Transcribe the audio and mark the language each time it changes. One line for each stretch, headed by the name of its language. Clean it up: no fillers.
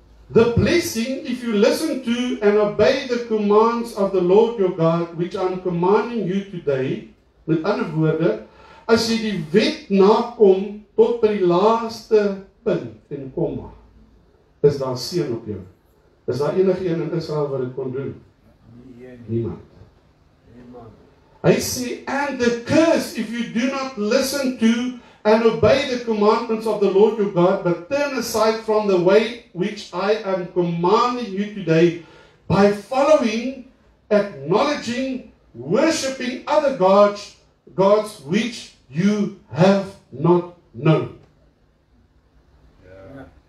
English: The blessing, if you listen to and obey the commands of the Lord your God, which I'm commanding you today.
Afrikaans: Met ander woorde, as jy die wet nakom tot by die laaste punt en komma, is daar seën op jou. Is daar enige een in Israel wat dit kon doen? Niemand. Hy sê,
English: and the curse, if you do not listen to and obey the commandments of the Lord your God, but turn aside from the way which I am commanding you today, by following, acknowledging, worshipping other gods which you have not known. Yeah.